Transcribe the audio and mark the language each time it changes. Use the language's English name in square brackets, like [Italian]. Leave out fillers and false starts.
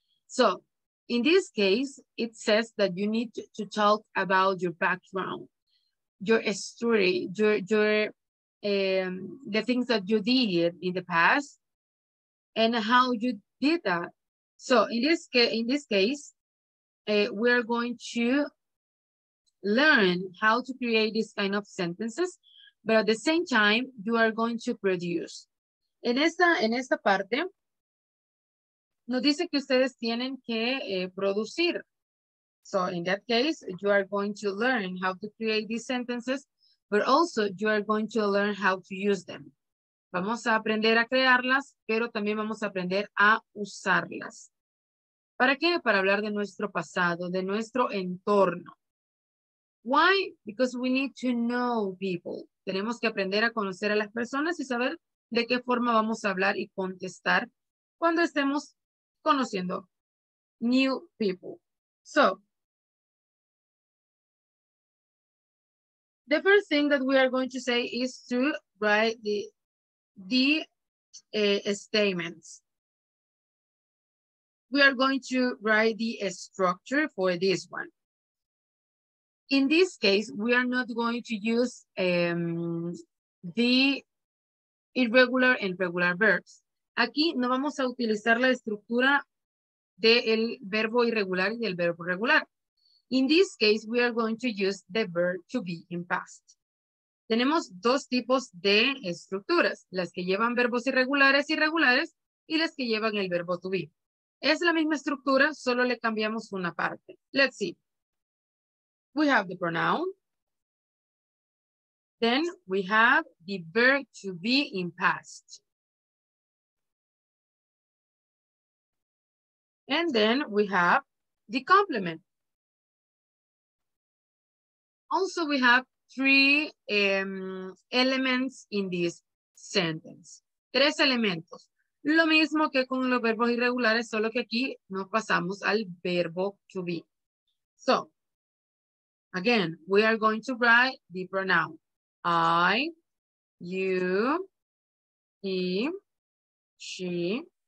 [English] So in this case, it says that you need to talk about your background, your story, the things that you did in the past and how you did that. So in this case, we're going to learn how to create these kind of sentences, but at the same time, you are going to produce. [Spanish] En esta parte, nos dice que ustedes tienen que producir. [English] So in that case, you are going to learn how to create these sentences, but also you are going to learn how to use them. [Spanish] Vamos a aprender a crearlas, pero también vamos a aprender a usarlas. ¿Para qué? Para hablar de nuestro pasado, de nuestro entorno. [English] Why? Because we need to know people. [Spanish] Tenemos que aprender a conocer a las personas y saber de qué forma vamos a hablar y contestar cuando estemos conociendo [English] new people. So, the first thing that we are going to say is to write the statements. We are going to write the structure for this one. In this case, we are not going to use the irregular and regular verbs. [Spanish] Aquí no vamos a utilizar la estructura del verbo irregular y del verbo regular. [English] In this case, we are going to use the verb to be in past. [Spanish] Tenemos dos tipos de estructuras, las que llevan verbos irregulares y regulares y las que llevan el verbo to be. Es la misma estructura, solo le cambiamos una parte. [English] Let's see. We have the pronoun. Then we have the verb to be in past. And then we have the complement. Also, we have three elements in this sentence. [Spanish] Tres elementos. Lo mismo que con los verbos irregulares, solo que aquí nos pasamos al verbo to be. [English] So, again, we are going to write the pronoun. I, you, he, she.